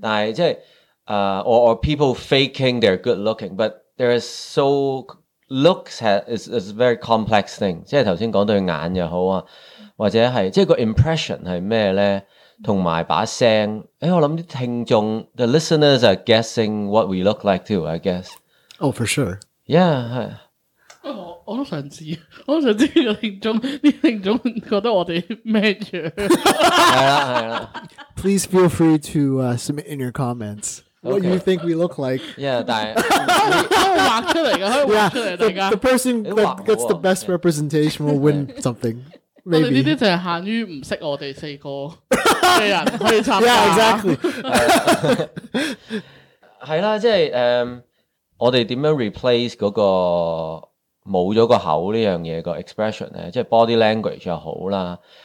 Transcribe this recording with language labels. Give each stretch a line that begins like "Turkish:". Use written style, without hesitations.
Cantonese: 但係即係
English: or people faking they're good looking, but there is so looks is a very complex thing.
Cantonese: 即係頭先講對眼又好啊，或者係即係個 impression 係咩咧？同埋把聲，我諗啲聽眾
English: the listeners are guessing what we look like too, I guess. Oh, for sure. Yeah.
Cantonese: 我都想知道，我都想知道啲聽眾覺得我哋咩樣。係啦，係啦。
English: Please feel free to submit in your comments what you think we look like. Yeah, 但
Cantonese: 係畫出嚟㗎，畫出嚟大家。
English: The person that gets the best representation will win something. Maybe.
Cantonese: 我哋呢啲就係限於唔識我哋四個嘅人可以參加。
English: Yeah, exactly.
Cantonese: 係啦，即係我哋點樣 replace 嗰個冇咗个口呢样嘢个 expression 呢，即係 body language 又好啦。